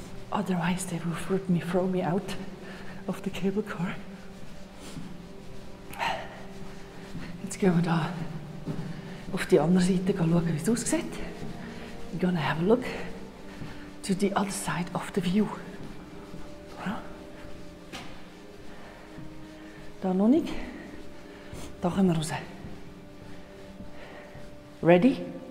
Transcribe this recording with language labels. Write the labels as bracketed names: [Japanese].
[English] Otherwise they will throw me out of the cable car. [German] Jetzt gehen wir da auf die andere Seite schauen, wie es aussieht. [English] I'm gonna have a look to the other side of the view. [German] Da noch nicht. Da können wir raus. [English] Ready?